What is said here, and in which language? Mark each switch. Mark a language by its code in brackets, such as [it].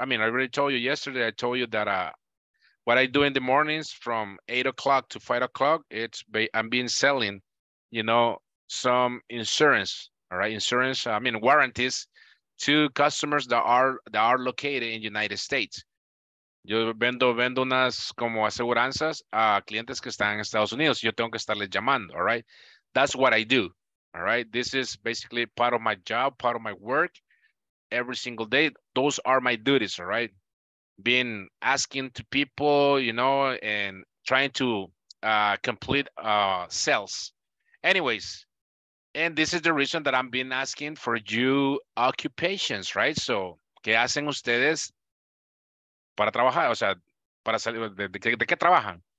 [en] I mean, I already told you yesterday, I told you that what I do in the mornings from 8 o'clock to 5 o'clock, I'm being selling, you know, some insurance, all right? Insurance, I mean, warranties to customers that are located in the United States. [es] Yo vendo unas como aseguranzas a clientes que están en Estados Unidos. Yo tengo que estarles llamando, [en] all right? That's what I do, all right? This is basically part of my job, part of my work. Every single day, those are my duties, all right? Being asking to people, you know, and trying to complete sales. Anyways, and this is the reason that I'm being asking for you occupations, right? [es] So, ¿qué hacen ustedes para trabajar? O sea, para salir, ¿de qué trabajan?